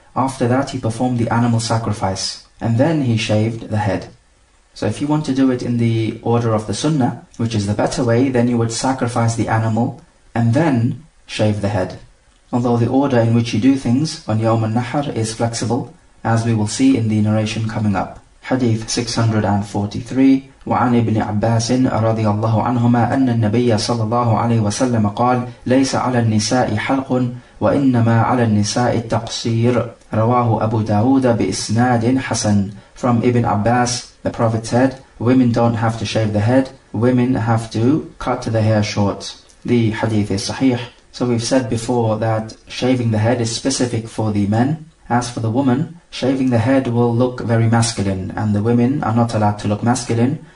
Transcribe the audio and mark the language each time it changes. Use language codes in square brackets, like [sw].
[en] After that he performed the animal sacrifice. And then he shaved the head. So if you want to do it in the order of the Sunnah, which is the better way, then you would sacrifice the animal and then shave the head. Although the order in which you do things on Yawm al-Nahr is flexible, as we will see in the narration coming up. Hadith 643. [ar] وعن ابن عباس رضي الله عنهما أن النبي صلى الله عليه وسلم قال ليس على النساء حلق وإنما على النساء التقصير. رواه أبو داود بإسناد حسن. [en] From Ibn Abbas, the Prophet said, women don't have to shave the head, women have to cut the hair short. The hadith is sahih. So we've said before that shaving the head is specific for the men. As for the woman, shaving the head will look very masculine, and the women are not allowed to look masculine.